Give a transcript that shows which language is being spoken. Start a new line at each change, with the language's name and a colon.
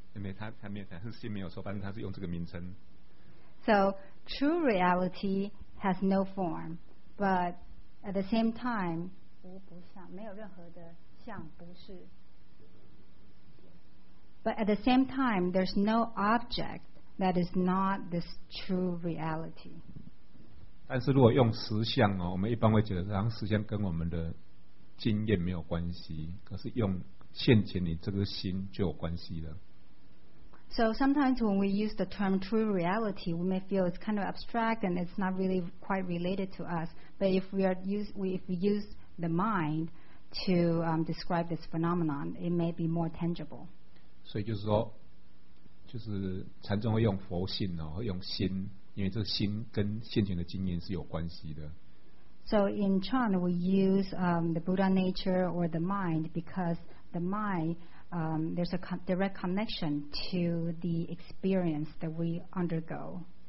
English: So true reality has no form, but at the same time,
Chinese: 无不像,
English: but at the same time, there's no object that is not this true reality.
Chinese: 但是如果用实相哦, 我们一般会觉得实相跟我们的 经验没有关系,
English: so sometimes when we use the term true reality, we may feel it's kind of abstract and it's not really quite related to us. But if we are if we use the mind to describe this phenomenon, it may be more tangible.
Chinese: 所以就是说，就是禅宗会用佛性哦，用心，因为这心跟现前的经验是有关系的。
English: So in Chan, we use the Buddha nature or the mind because the mind, there's a direct connection to the experience that we undergo.